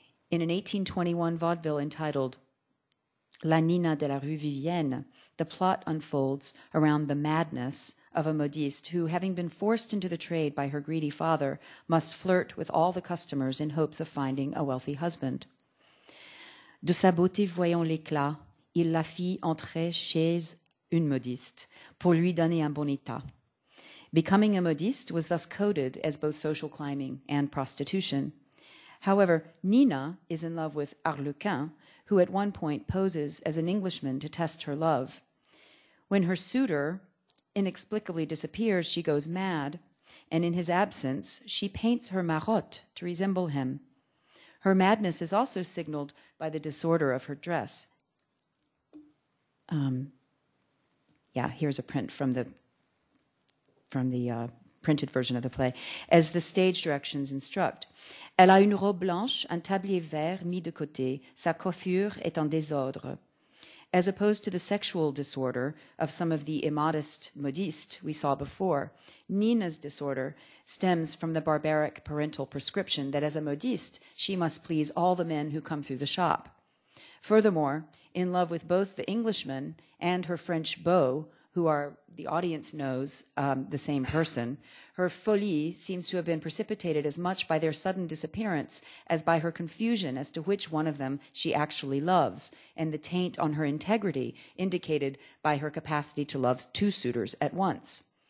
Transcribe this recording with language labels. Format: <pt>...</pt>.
<en>In an 1821 vaudeville entitled La Nina de la Rue Vivienne, the plot unfolds around the madness of a modiste who, having been forced into the trade by her greedy father, must flirt with all the customers in hopes of finding a wealthy husband.</en> <fr>De sa beauté voyant l'éclat, il la fit entrer chez une modiste pour lui donner un bon état.</fr> <en>Becoming a modiste was thus coded as both social climbing and prostitution. However, Nina is in love with Arlequin, who at one point poses as an Englishman to test her love. When her suitor inexplicably disappears, she goes mad, and in his absence, she paints her marotte to resemble him. Her madness is also signaled by the disorder of her dress. Here's a print from the printed version of the play, as the stage directions instruct.</en> <fr>Elle a une robe blanche, un tablier vert mis de côté. Sa coiffure est en désordre.</fr> <en>As opposed to the sexual disorder of some of the immodest modistes we saw before, Nina's disorder stems from the barbaric parental prescription that as a modiste, she must please all the men who come through the shop. Furthermore, in love with both the Englishman and her French beau, who are, the audience knows, the same person, her folie seems to have been precipitated as much by their sudden disappearance as by her confusion as to which one of them she actually loves, and the taint on her integrity indicated by her capacity to love two suitors at once.</en>